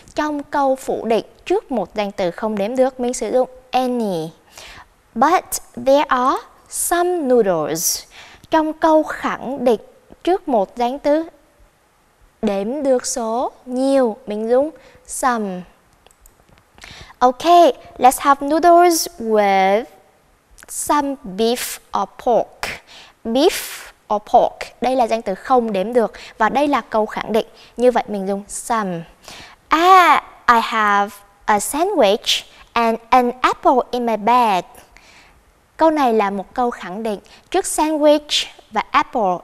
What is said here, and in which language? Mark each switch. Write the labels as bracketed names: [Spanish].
[Vietnamese] Trong câu phủ định trước một danh từ không đếm được, mình sử dụng any. [English] But there are some noodles. [Vietnamese] Trong câu khẳng định trước một danh từ đếm được số nhiều, mình dùng some. [English] Okay, let's have noodles with some beef or pork. [Vietnamese] Beef or pork, đây là danh từ không đếm được và đây là câu khẳng định. Như vậy mình dùng some. [English] Ah, I have a sandwich and an apple in my bag. [Vietnamese] Câu này là một câu khẳng định trước sandwich và apple.